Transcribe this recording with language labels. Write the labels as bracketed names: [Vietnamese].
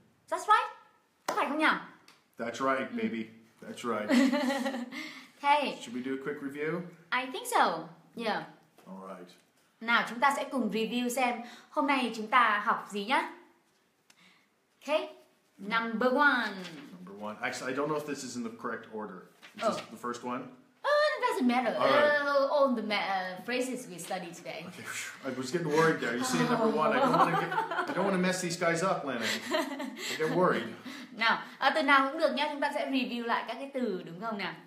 [English] That's right, [Vietnamese] có phải không nhỉ? [English] That's right, baby. That's right. Hey, should we do a quick review? I think so. Yeah. All right. [Vietnamese] Nào, chúng ta sẽ cùng review xem hôm nay chúng ta học gì nhá. [English] Okay, number one. Number one. Actually, I don't know if this is in the correct order. Is this the first one? It doesn't matter. All the phrases we study today. Okay. I was getting worried there. You see, number one, I don't want to mess these guys up, Lana. I get worried. [Vietnamese] Nào, từ nào cũng được nhá. Chúng ta sẽ review lại các cái từ, đúng không nào?